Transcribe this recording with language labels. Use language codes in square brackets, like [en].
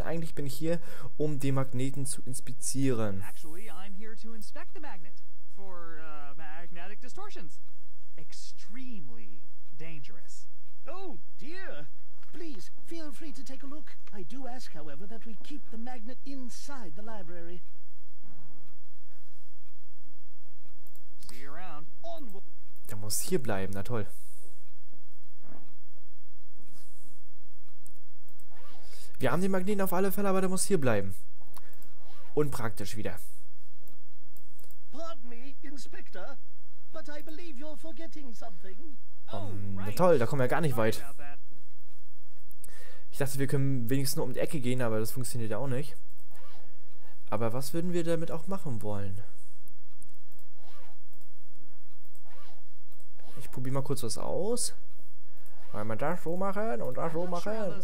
[de] Eigentlich bin ich hier, um den Magneten zu inspizieren. [en] Actually, I'm here to inspect the magnet for magnetic distortions. Extremely dangerous. Oh dear. Please feel free to take a look. I do ask, however, that we keep the magnet inside the library. See you around. [de] Der muss hier bleiben. Na toll. Wir haben den Magneten auf alle Fälle, aber der muss hier bleiben. Unpraktisch wieder. [en] Pardon me, Inspector, but I believe you're forgetting something. [de] Na toll, da kommen wir gar nicht weit. Ich dachte, wir können wenigstens nur um die Ecke gehen, aber das funktioniert ja auch nicht. Aber was würden wir damit auch machen wollen? Ich probiere mal kurz was aus. Weil man das so machen und das so machen.